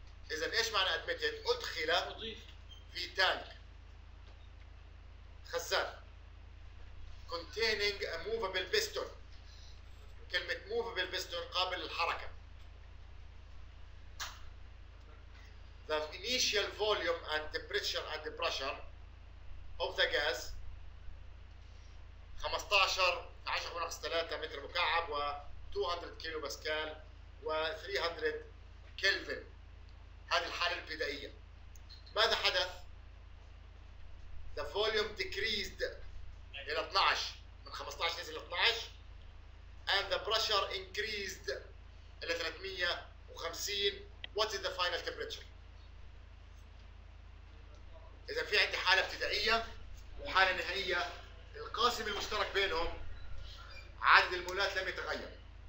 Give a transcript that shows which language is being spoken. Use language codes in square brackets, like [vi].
[ar] اذا ايش معنى ادميتد؟ ادخل في تانك خزان كونتيننج موفابل بيستون. كلمه موفابل بيستون قابل للحركه. [en] The initial volume and temperature and pressure of the gas 15 10 [ar] ناقص 3 متر مكعب و 200 كيلو باسكال و 300 كلفن. هذه الحالة البدائية. ماذا حدث؟ [en] The volume decreased [ar] إلى 12، من 15 نزل إلى 12 [en] and the pressure increased [ar] إلى 350. [en] What is the final temperature؟ [ar] إذا في عندي حالة ابتدائية وحالة نهائية، القاسم المشترك بينهم عدد المولات لم يتغير.